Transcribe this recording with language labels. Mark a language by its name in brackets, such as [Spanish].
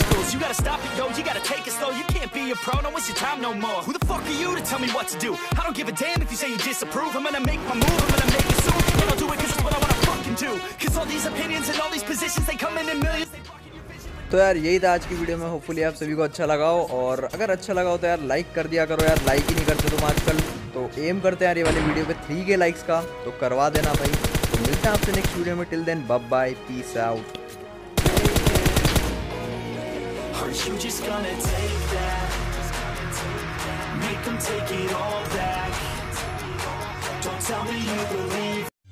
[English] You gotta stop it, yo, you gotta take it slow. You can't be a pro, no, it's your time no more. Who the fuck are you to tell me what to do? I don't give a damn if you say you disapprove. I'm gonna make my move, I'm gonna make it soon. And I'll do it cause it's what I wanna fucking do. Cause all these opinions and all these positions, they come in millions. [Hindi] तो यार यही था आज की video में, hopefully आप सभी को अच्छा लगा हो, और अगर अच्छा लगा हो तो यार लाइक कर दिया करो यार, लाइक ही नहीं करते तुम आजकल, तो एम करते हैं यार ये वाली वीडियो पे 3K लाइक्स का, तो करवा देना भाई। तो मिलते हैं आपसे नेक्स्ट वीडियो में, till then bye bye, peace out. [English] Are you just gonna take that? Make them take it all back. Don't tell me you believe